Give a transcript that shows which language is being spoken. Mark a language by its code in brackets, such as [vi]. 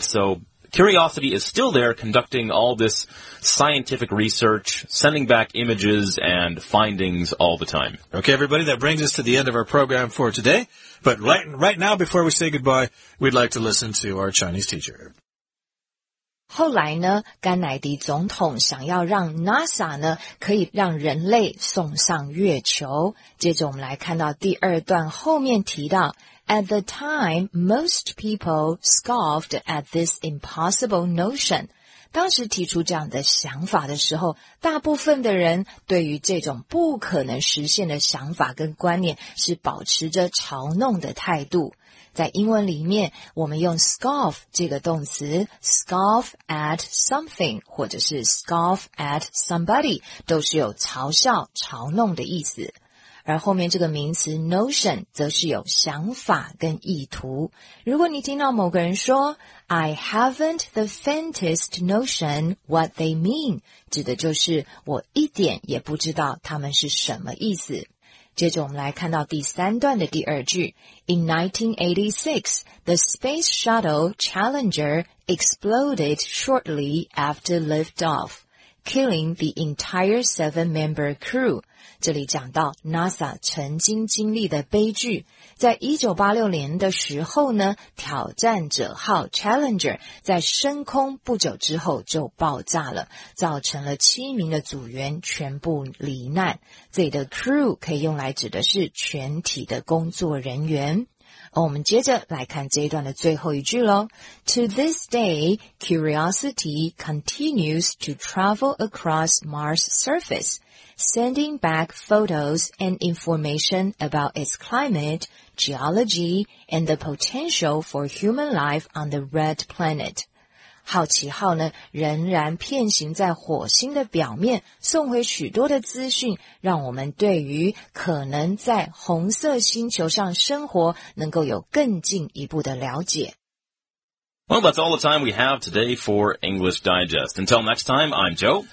[en] So Curiosity is still there conducting all this scientific research, sending back images and findings all the time. Okay, everybody, that brings us to the end of our program for today. But right now, before we say goodbye, we'd like to listen to our Chinese teacher. [zh] 后来呢，甘乃迪总统想要让 NASA 呢可以让人类送上月球。接着我们来看到第二段后面提到 [en] At the time, most people scoffed at this impossible notion. [zh] 当时提出这样的想法的时候，大部分的人对于这种不可能实现的想法跟观念是保持着嘲弄的态度。在英文里面，我们用 scoff 这个动词 , [en] scoff at something, [zh] 或者是 [en] scoff at somebody, [zh] 都是有嘲笑、嘲弄的意思。而后面这个名词 notion 则是有想法跟意图。如果你听到某个人说 [en] I haven't the faintest notion what they mean, [zh] 指的就是我一点也不知道他们是什么意思。接着我们来看到第三段的第二句 [en] In 1986, the space shuttle Challenger exploded shortly after liftoff, killing the entire seven-member crew. [zh] 这里讲到 NASA 曾经经历的悲剧，在1986年的时候呢，挑战者号 Challenger 在升空不久之后就爆炸了，造成了七名的组员全部罹难。这里的 crew 可以用来指的是全体的工作人员。我们接着来看这一段的最后一句咯。 [en] To this day, Curiosity continues to travel across Mars' surface,sending back photos and information about its climate, geology, and the potential for human life on the red planet. [zh] 好奇号呢，仍然遍行在火星的表面，送回许多的资讯，让我们对于可能在红色星球上生活能够有更进一步的了解。 [en] Well, that's all the time we have today for English Digest. Until next time, I'm Joe.